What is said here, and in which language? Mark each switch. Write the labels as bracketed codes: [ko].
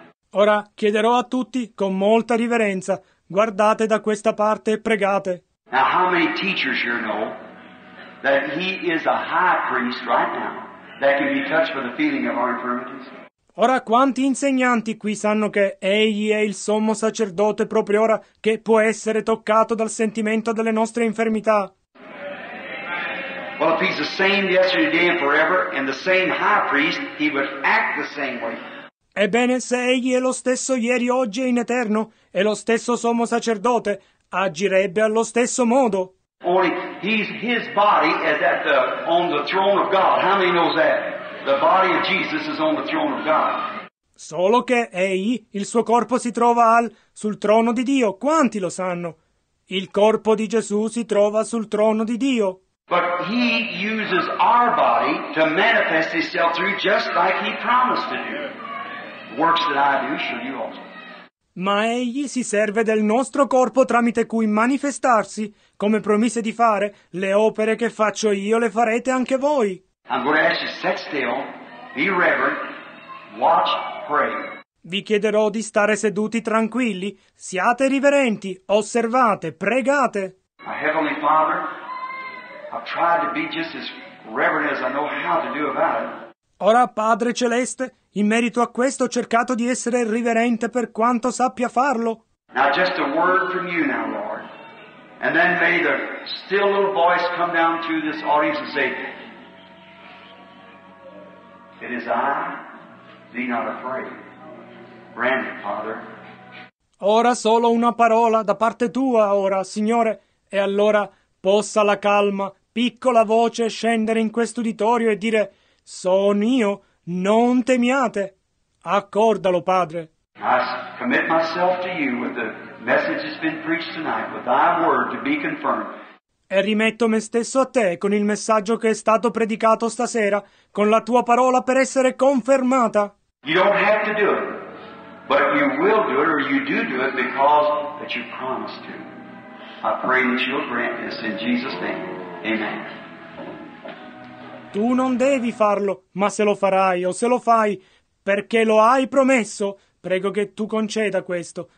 [it] Ora chiederò a tutti, con molta riverenza, guardate da questa parte e pregate. [en] Now, how many teachers here know that he is a high priest right now that can be touched by the feeling of our infirmities? [it] Ora quanti insegnanti qui sanno che egli è il sommo sacerdote proprio ora che può essere toccato dal sentimento delle nostre infermità? [en] Well, if he's the same yesterday, today, and forever, and the same high priest, he would act the same way. [it] Ebbene, se egli è lo stesso ieri, oggi e in eterno, e lo stesso sommo sacerdote, agirebbe allo stesso modo. [en] Only he's his body is at the on the throne of God. How many knows that? The body of Jesus is on the throne of God. [it] Solo che egli, il suo corpo si trova sul trono di Dio. Quanti lo sanno? Il corpo di Gesù si trova sul trono di Dio. [en] But he uses our body to manifest himself through just like he promised to do. Works that I do, show you also. [it] Ma egli si serve del nostro corpo tramite cui manifestarsi, come promise di fare, le opere che faccio io le farete anche voi. [en] I'm going to ask you to sit still, be reverent, watch, pray. [it] Vi chiederò di stare seduti tranquilli, siate riverenti, osservate, pregate. [en] My Heavenly Father, I've tried to be just as reverent as I know how to do about it. [it] Ora, Padre Celeste, in merito a questo ho cercato di essere riverente per quanto sappia farlo. [en] Now just a word from you now, Lord. And then may the still little voice come down through this audience and say, it is I, be not afraid. Grant it, Father. [it] Ora solo una parola da parte tua, ora, Signore, e allora possa la calma, piccola voce scendere in questo uditorio e dire: sono io, non temiate. Accordalo, Padre. [en] I commit myself to you with the message that's been preached tonight, with thy word to be confirmed. [it] E rimetto me stesso a te con il messaggio che è stato predicato stasera, con la tua parola per essere confermata. [en] You don't have to do it, but you will do it, or you do do it because that you promised to. I pray that you'll grant this in Jesus' name. Amen. [it] Tu non devi farlo, ma se lo farai o se lo fai perché lo hai promesso, prego che tu conceda questo.